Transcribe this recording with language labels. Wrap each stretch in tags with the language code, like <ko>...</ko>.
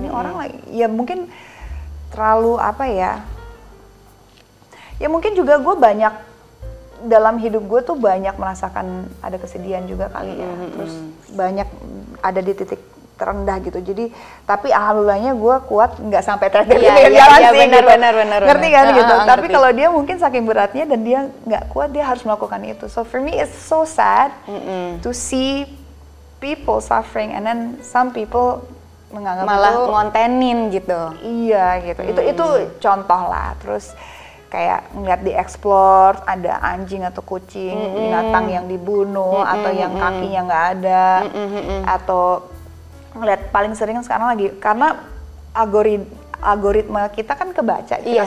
<id>Ini orang lagi, ya mungkin terlalu apa ya, ya mungkin juga gue banyak, dalam hidup gue tuh banyak merasakan ada kesedihan juga kali ya. Terus banyak ada di titik rendah gitu, jadi tapi alhamdulillahnya gue kuat nggak sampai terjadi yang jalan sih, benar-benar ngerti kan gitu. Tapi kalau dia mungkin saking beratnya dan dia nggak kuat, dia harus melakukan itu.</id> <en>So for me it's so sad to see people suffering and then some people</en> <id>menganggap malah itu, ngontenin gitu. Iya gitu, itu contoh lah. Terus kayak ngeliat di explore ada anjing atau kucing binatang yang dibunuh atau yang kakinya nggak ada atau ngeliat paling sering sekarang lagi karena algoritma kita kan kebaca, kita</id>